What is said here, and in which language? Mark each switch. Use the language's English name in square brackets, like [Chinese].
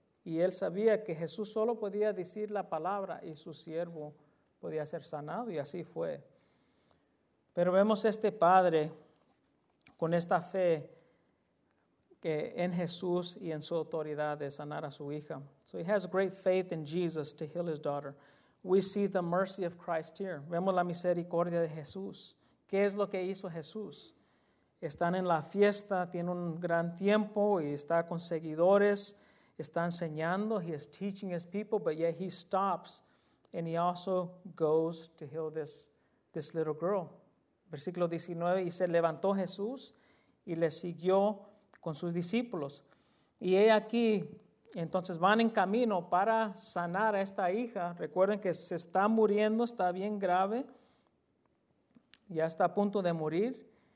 [Spanish] Y él sabía que Jesús solo podía decir la palabra y su siervo podía ser sanado y así fue. Pero vemos este padre con esta fe que en Jesús y en su autoridad de sanar a su hija. [English] So he has great faith in Jesus to heal his daughter. We see the mercy of Christ here. [Spanish] Vemos la misericordia de Jesús. ¿Qué es lo que hizo Jesús? Están en la fiesta, tiene un gran tiempo y está con seguidores. Está enseñando, [English] he is teaching his people, but yet he stops and he also goes to heal this little girl. [Spanish] Versículo 19, y se levantó Jesús y le siguió con sus discípulos. Y he aquí, entonces van en camino para sanar a esta hija. Recuerden que se está muriendo, está bien grave, ya está a punto de morir.